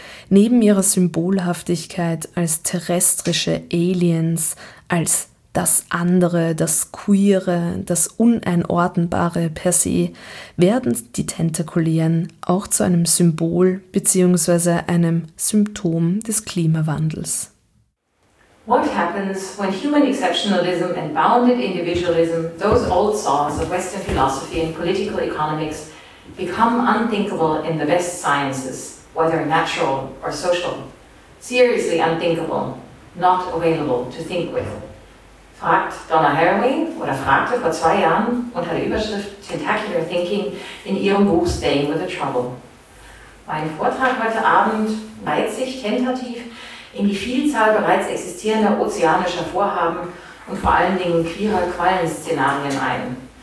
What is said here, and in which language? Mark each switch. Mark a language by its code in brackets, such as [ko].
[de] Neben ihrer Symbolhaftigkeit als terrestrische Aliens, als das Andere, das Queere, das Uneinordnbare per se, werden die Tentakulären auch zu einem Symbol bzw. einem Symptom des Klimawandels. [en] What happens when human exceptionalism and bounded individualism, those old saws of Western philosophy and political economics, become unthinkable in the best sciences, whether natural or social? Seriously unthinkable, not available to think with. [de] Fragt Donna Haraway, oder fragte vor zwei Jahren unter der Überschrift Tentacular Thinking in ihrem Buch Staying with the Trouble. Mein Vortrag heute Abend neigt sich tentativ in die Vielzahl bereits existierender ozeanischer Vorhaben und vor allen Dingen queerer Quallenszenarien ein.